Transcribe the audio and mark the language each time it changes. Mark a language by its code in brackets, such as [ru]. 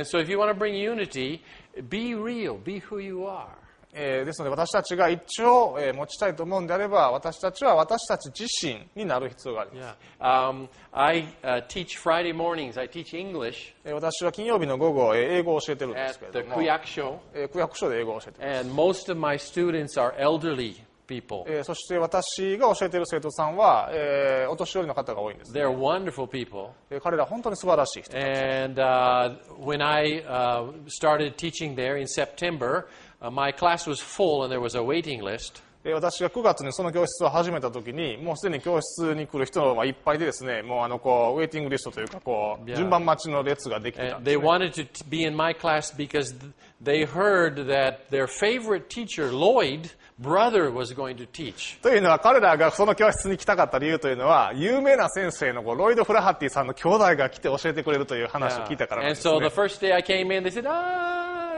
[en] Yeah. And so if you want to bring unity, be real, be who you are. [ja] ですので私たちが一致を、持ちたいと思うんであれば、私たちは私たち自身になる必要があります。 [en] Yeah. I teach Friday mornings. I teach English. [ja] 私は金曜日の午後、英語を教えてるんですけれども、 [en] At the 区役所、 [ja] 区役所で英語を教えてます。 [en] And most of my students are elderly people. [ja] そして私が教えてる生徒さんは、お年寄りの方が多いんです、ね。 [en] They're wonderful people. [ja] 彼ら本当に素晴らしい人たち。 [en] And when I started teaching there in September,My class was full and there was a waiting list. [ja] 私が9月にその教室を始めたときに、もうすでに教室に来る人がいっぱいでですね、もうこうウェイティングリストというか、こう、順番待ちの列ができてたんですね。 [en] They wanted to be in my class because they heard that their favorite teacher, Lloyd, brother, was going to teach. [ja] というのは、彼らがその教室に来たかった理由というのは、有名な先生のロイド・フラハティさんの兄弟が来て教えてくれるという話を聞いたからなんですね。 [en] And so the first day I came in, they said, ah!